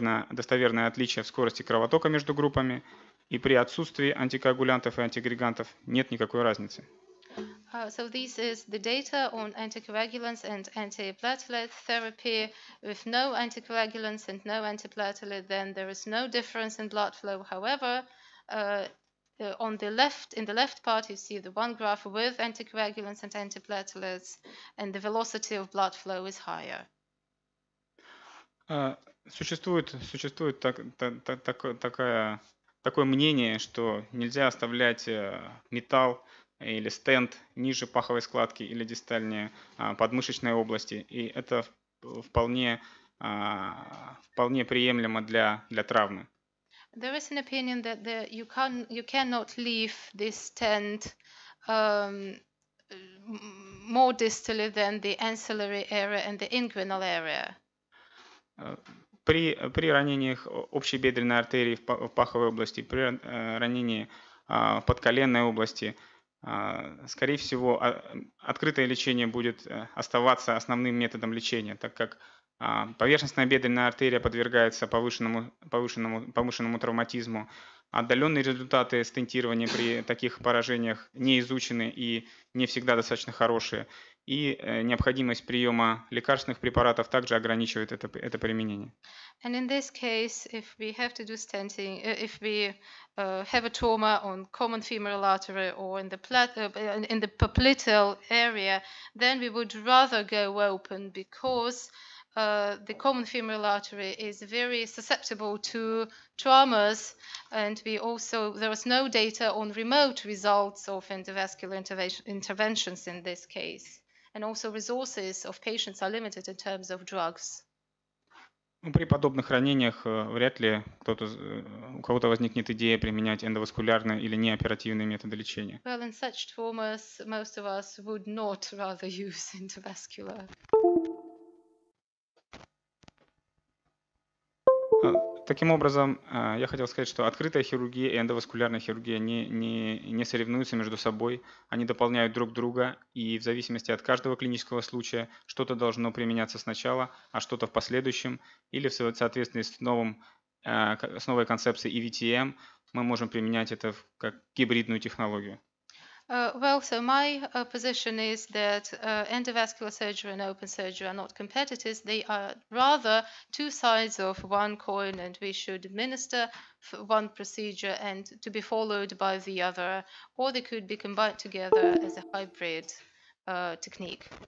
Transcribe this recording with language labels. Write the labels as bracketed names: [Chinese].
[Russian] Достоверное отличие в скорости кровотока между группами, и при отсутствии антикоагулянтов и антиагрегантов нет никакой разницы. [English] So this is the data on anticoagulants and antiplatelet therapy. With no anticoagulants and no antiplatelet, then there is no difference in blood flow. However, in the left part you see the one graph with anticoagulants and antiplatelets, and the velocity of blood flow is higher. [Russian] Существует такое мнение, что нельзя оставлять металл или стент ниже паховой складки или дистальнее подмышечной области, и это вполне приемлемо для травмы. [English] There is an opinion that you cannot leave this stent more distally than the ancillary area and the inguinal area. [Russian] При ранениях общей бедренной артерии в паховой области, при ранении в подколенной области, скорее всего, открытое лечение будет оставаться основным методом лечения, так как поверхностная бедренная артерия подвергается повышенному травматизму. Отдаленные результаты стентирования при таких поражениях не изучены и не всегда достаточно хорошие. И необходимость приема лекарственных препаратов также ограничивает это применение. [English] And in this case, if we have to do stenting, if we have a trauma on common femoral artery or in the popliteal area, then we would rather go open because the common femoral artery is very susceptible to traumas, and there is no data on remote results of endovascular interventions in this case. And also resources of patients are limited in terms of drugs. [Russian] Ну, при подобных ранениях вряд ли у кого-то возникнет идея применять эндоваскулярные или неоперативные методы лечения. [English] Well, in such traumas, most of us would not rather use endovascular. [Russian] таким образом, я хотел сказать, что открытая хирургия и эндоваскулярная хирургия не соревнуются между собой, они дополняют друг друга, и в зависимости от каждого клинического случая что-то должно применяться сначала, а что-то в последующем, или в соответствии с новой концепцией EVTM мы можем применять это как гибридную технологию. [English] Position is that endovascular surgery and open surgery are not competitors. They are rather two sides of one coin, and we should administer one procedure and to be followed by the other, or they could be combined together as a hybrid technique.